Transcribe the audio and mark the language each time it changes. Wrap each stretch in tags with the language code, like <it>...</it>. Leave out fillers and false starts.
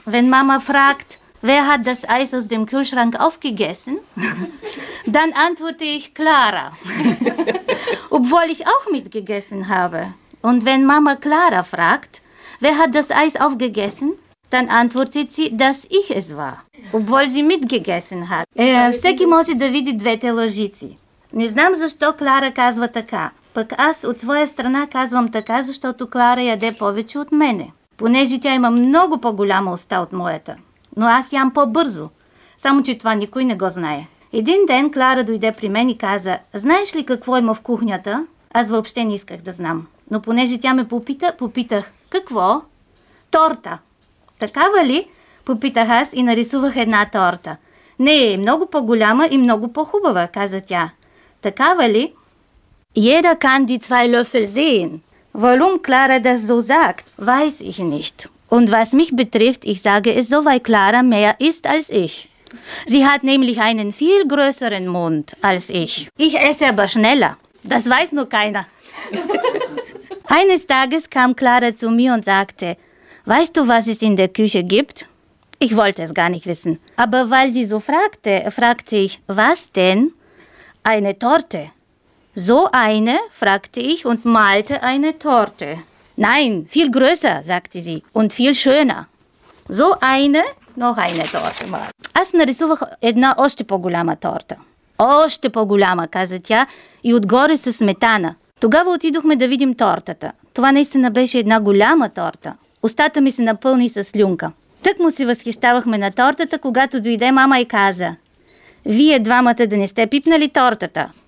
<de>Wenn Mama fragt, wer hat das Eis aus dem Kühlschrank aufgegessen, dann antworte ich Klara, obwohl ich auch mitgegessen habe. Und wenn Mama Klara fragt, wer hat das Eis aufgegessen, dann antwortet sie, dass ich es war, obwohl sie mitgegessen hat.</de> <bg>Всеки може да види двете лъжици. Не знам защо Клара казва така. Пък аз от своя страна казвам така, защото Клара яде повече от мене. Понеже тя има много по-голяма уста от моята. Но аз ям по-бързо. Само, че това никой не го знае. Един ден Клара дойде при мен и каза, знаеш ли какво има в кухнята? Аз въобще не исках да знам. Но понеже тя ме попита, попитах, какво? Торта. Такава ли? Попитах аз и нарисувах една торта. Не, много по-голяма и много по-хубава, каза тя. Такава ли?</bg> <de>Jeder kann die zwei Löffel sehen. Warum Klara das so sagt, weiß ich nicht. Und was mich betrifft, ich sage es so, weil Klara mehr isst als ich. Sie hat nämlich einen viel größeren Mund als ich. Ich esse aber schneller. Das weiß nur keiner. Eines Tages kam Klara zu mir und sagte, weißt du, was es in der Küche gibt? Ich wollte es gar nicht wissen. Aber weil sie so fragte, fragte ich, was denn? Eine Torte. So eine, fragte ich und malte eine Torte. Nein, viel größer, sagte sie, und viel schöner. So eine, noch eine Torte mal.</de> <bg>Аз нарисувах една още по-голяма торта. Още по-голяма, каза тя, и отгоре със сметана. Тогава отидохме да видим тортата. Това наистина беше една голяма торта. Устата ми се напълни със слюнка. Тък му се възхищавахме на тортата, когато дойде мама и каза, «Вие двамата да не сте пипнали тортата».</bg>